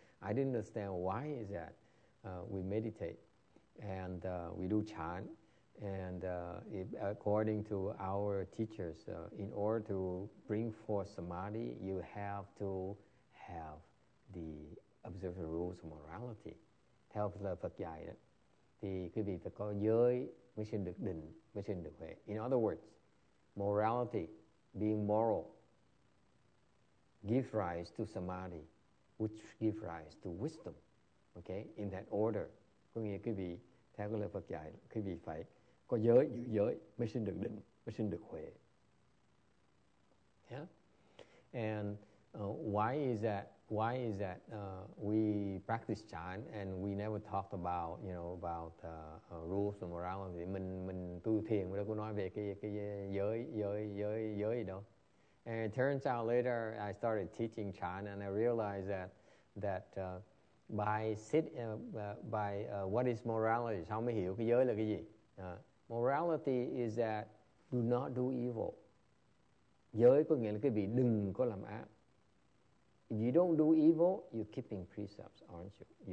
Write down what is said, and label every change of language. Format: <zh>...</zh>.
<en>I didn't understand why is that. We meditate and we do chan, and according to our teachers, in order to bring forth samadhi, you have to have the observing rules of morality.</en> <vi>Theo Phật dạy đó, thì quý vị phải có giới mới sinh được định, mới sinh được huệ.</vi> <en>In other words, morality, being moral, gives rise to samadhi, which gives rise to wisdom.</en> <vi>Okay,</vi> <en>in that order,</en> <vi>có nghĩa quý vị theo cái lời Phật dạy, quý vị phải có giới, giữ giới mới sinh được định, mới sinh được huệ. Yeah.</vi> <en>And why is that we practice chan and we never talked about, you know, about rules of morality.</en> <vi>Mình tu thiền mà đâu có nói về cái giới gì đâu.</vi> <en>And it turns out later I started teaching chan and I realized that By what is morality?</en> <vi>Sao mới hiểu cái giới là cái gì?</vi> <en>Morality is that do not do evil.</en> <vi>Giới có nghĩa là cái vị đừng có làm ác.</vi> <en>If you don't do evil, you're keeping precepts, aren't you?</en>